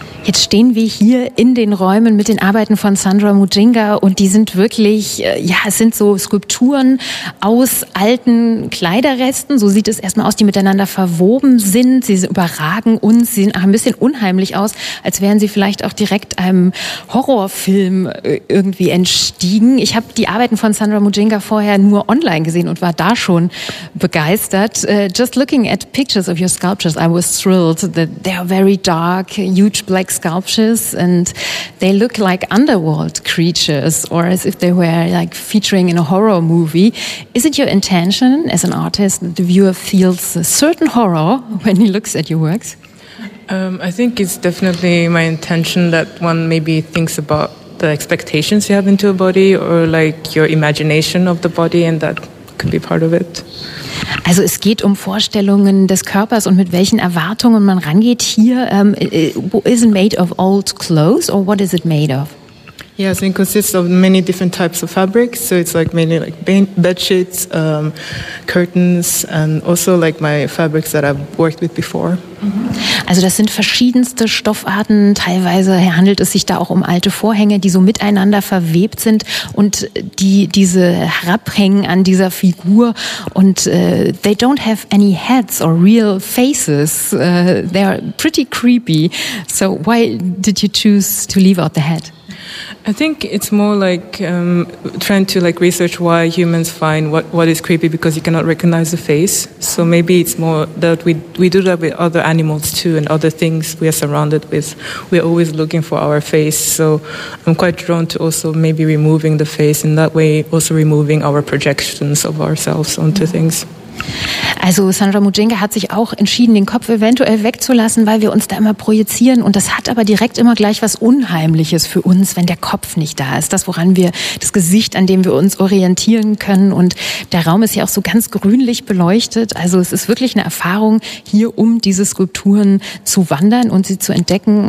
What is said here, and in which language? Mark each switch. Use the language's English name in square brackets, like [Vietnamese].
[German] Jetzt stehen wir hier in den Räumen mit den Arbeiten von Sandra Mujinga und die sind wirklich, es sind so Skulpturen aus alten Kleiderresten, so sieht es erstmal aus, die miteinander verwoben sind, sie überragen uns, sie sehen auch ein bisschen unheimlich aus, als wären sie vielleicht auch direkt einem Horrorfilm irgendwie entstiegen. Ich habe die Arbeiten von Sandra Mujinga vorher nur online gesehen und war da schon begeistert. [English] Just looking at pictures of your sculptures, I was thrilled that they are very dark, huge black sculptures and they look like underworld creatures or as if they were like featuring in a horror movie. Is it your intention as an artist that the viewer feels a certain horror when he looks at your works? I think it's definitely my intention that one maybe thinks about the expectations you have into a body or like your imagination of the body and that could be part of it. [German] Also es geht um Vorstellungen des Körpers und mit welchen Erwartungen man rangeht hier. [English] Is it made of old clothes or what is it made of? Yeah, so it consists of many different types of fabrics. So it's like mainly like bed sheets, curtains and also like my fabrics that I've worked with before. [German] Also das sind verschiedenste Stoffarten. Teilweise handelt es sich da auch um alte Vorhänge, die so miteinander verwebt sind und die diese herabhängen an dieser Figur. [English] Und they don't have any heads or real faces. They are pretty creepy. So why did you choose to leave out the head? I think it's more like trying to like research why humans find what is creepy because you cannot recognize the face. So maybe it's more that we do that with other animals too and other things we are surrounded with. We're always looking for our face. So I'm quite drawn to also maybe removing the face in that way, also removing our projections of ourselves onto things. [German] Also Sandra Mujinga hat sich auch entschieden, den Kopf eventuell wegzulassen, weil wir uns da immer projizieren. Und das hat aber direkt immer gleich was Unheimliches für uns, wenn der Kopf nicht da ist. Das, woran wir, das Gesicht, an dem wir uns orientieren können. Und der Raum ist ja auch so ganz grünlich beleuchtet. Also es ist wirklich eine Erfahrung, hier um diese Skulpturen zu wandern und sie zu entdecken.